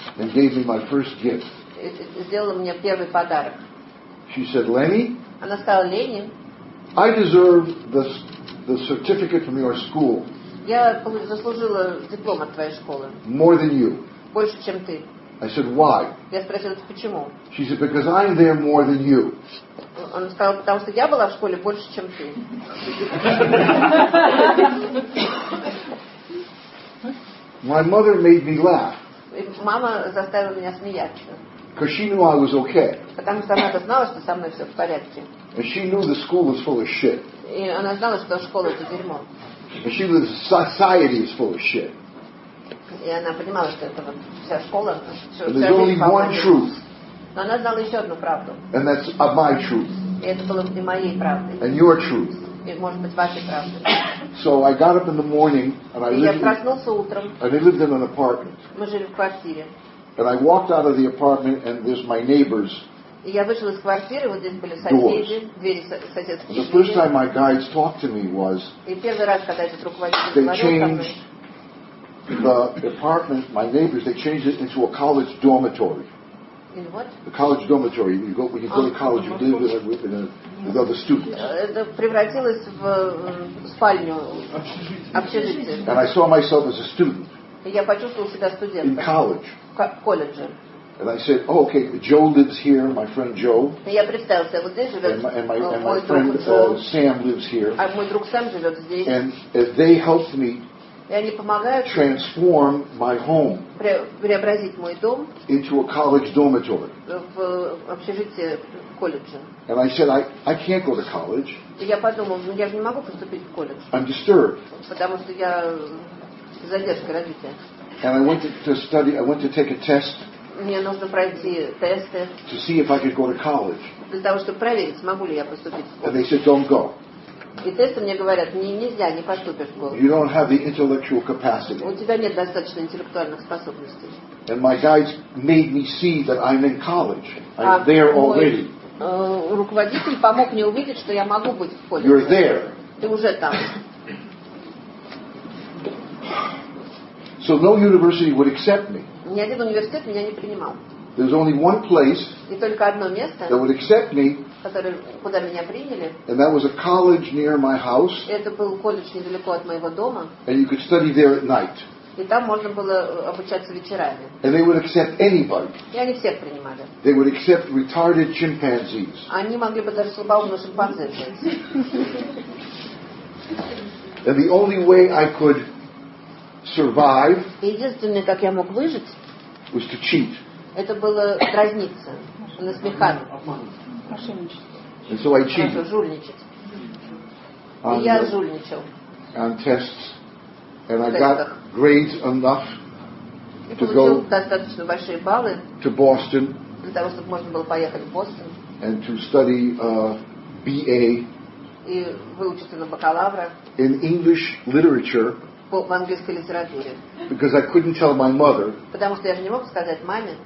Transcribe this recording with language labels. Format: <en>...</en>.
<en>And gave me my first gift.</en> <ru>И сделала мне первый подарок.</ru> <en>She said, "Lenny."</en> <ru>Она сказала, Ленни.</ru> <en>I deserve the certificate from your school.</en> <ru>Я заслужила диплом от твоей школы.</ru> <en>More than you.</en> <ru>Больше, чем ты.</ru> <en>I said, "Why?"</en> <ru>Я спросила, почему?</ru> <en>She said, "Because I'm there more than you."</en> <ru>Он сказал, потому что я была в школе больше, чем ты.</ru> <en>My mother made me laugh.</en> <ru>Мама заставила меня смеяться.</ru> <en>Because she knew I was okay.</en> <ru>Потому что она знала, что со мной все в порядке.</ru> <en>And she knew the school was full of shit.</en> <ru>И она знала, что школа это дерьмо.</ru> <en>And she knew the society is full of shit.</en> <ru>И она понимала, что это вот вся школа.</ru> <en>And there's only one truth.</en> <ru>Но она знала еще одну правду.</ru> <en>And that's my truth.</en> <ru>И это было не моей правдой.</ru> <en>And your truth.</en> <ru>И может быть вашей правдой.</ru> <en>So I got up in the morning and I lived.</en> <ru>И я проснулся утром.</ru> <en>And I lived in an apartment.</en> <ru>Мы жили в квартире.</ru> <en>And I walked out of the apartment and there's my neighbors.</en> <ru>И я вышел из квартиры, вот здесь были соседи, doors. Двери соседские.</ru> <en>The first time my guides talked to me was.</en> <ru>И первый раз, когда этот руководитель говорил.</ru> <en>They changed the apartment, my neighbors. They changed it into a college dormitory. In what? The college dormitory. You go when you go to college, you live with other students.</en> <ru>Это превратилось в спальню общежитие.</ru> <en>And I saw myself as a student.</en> <ru>Я почувствовал себя студентом.</ru> <en>In college.</en> <ru>Колледже.</ru> <en>And I said, oh, okay, Joe lives here, my friend Joe.</en> <ru>Я представился, вот здесь живет.</ru> <en>And my friend Sam lives here.</en> <ru>А мой друг Сэм живет здесь.</ru> <en>And they helped me.</en> <ru>И они помогают.</ru> <en>Transform my home.</en> <ru>Преобразить мой дом.</ru> <en>Into a college dormitory.</en> <ru>В общежитие колледжа.</ru> <en>And I said, I can't go to college.</en> <ru>И я подумал, я же не могу поступить в колледж.</ru> <en>I'm disturbed.</en> <ru>Потому что я задержка развития.</ru> <en>And I went to study. I went to take a test.</en> <ru>Мне нужно пройти тесты.</ru> <en>To see if I could go to college.</en> <ru>Для того, чтобы проверить, смогу ли я поступить в колледж.</ru> <en>And they said, don't go.</en> <ru>И тесты мне говорят, нельзя, не поступишь в колледж.</ru> <en>You don't have the intellectual capacity.</en> <ru>У тебя нет достаточно интеллектуальных способностей.</ru> <en>And my guides made me see that I'm in college. I'm there already.</en> <ru>Руководитель помог мне увидеть, что я могу быть в колледже.</ru> <en>You're there.</en> <ru>Ты уже там.</ru> <en>So no university would accept me.</en> <ru>Ни один университет меня не принимал.</ru> <en>There's only one place.</en> <ru>И только одно место.</ru> <en>That would accept me.</en> <ru>Которое, куда меня приняли.</ru> <en>And that was a college near my house.</en> <ru>Это был колледж недалеко от моего дома.</ru> <en>And you could study there at night.</en> <ru>И там можно было обучаться вечерами.</ru> <en>And they would accept anybody.</en> <ru>И они всех принимали.</ru> <en>They would accept retarded chimpanzees.</en> <ru>Они могли бы даже слабоумных шимпанзе взять.</ru> <en>And the only way I could survive.</en> <ru>Единственное, как я мог выжить,</ru> <en>was to cheat.</en> <ru>Это было дразниться, насмехаться.</ru> <en>And so I cheated.</en> <ru>Хорошо, жульничать. И я жульничал.</ru> <en>On tests, and I got grades enough to go.</en> <ru>Достаточно большие баллы.</ru> <en>To Boston.</en> <ru>Для того, чтобы можно было поехать в Бостон.</ru> <en>And to study BA.</en> <ru>И выучиться на бакалавра.</ru> <en>In English literature.</en> <ru>В английской литературе.</ru> <en>Because I couldn't tell my mother.</en> <ru>Потому что я же не мог сказать маме.</ru>